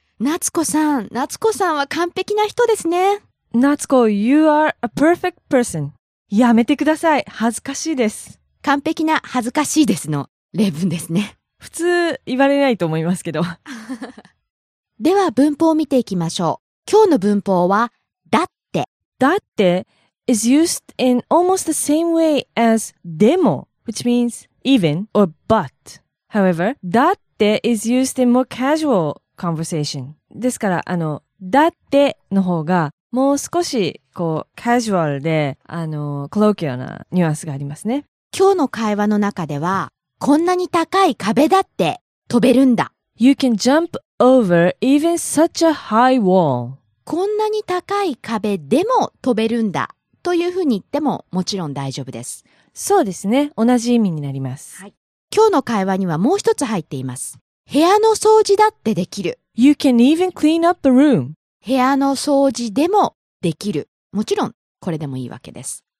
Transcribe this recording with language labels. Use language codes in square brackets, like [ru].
[ja] 夏子さん、夏子さんは完璧な人ですね。 [en] 夏子、You are a perfect person. [ja] やめてください。恥ずかしいです。完璧な恥ずかしいですの。例文ですね。普通言われないと思いますけど。では文法を見ていきましょう。今日の文法はだって。 [en] だって is used in almost the same way as でも、 which means even or but. However, だって is used in more casual conversation. [ja] ですからあのだっての方がもう少しこうカジュアルで、あのコロキュアなニュアンスがありますね。今日の会話の中では、こんなに高い壁だって飛べるんだ。 [en] You can jump over even such a high wall. [ja] こんなに高い壁でも飛べるんだというふうに言ってももちろん大丈夫です。そうですね。同じ意味になります。はい、今日の会話にはもう一つ入っています。部屋の掃除だってできる。 [en] You can even clean up the room. [ja] 部屋の掃除でもできる。もちろんこれでもいいわけです。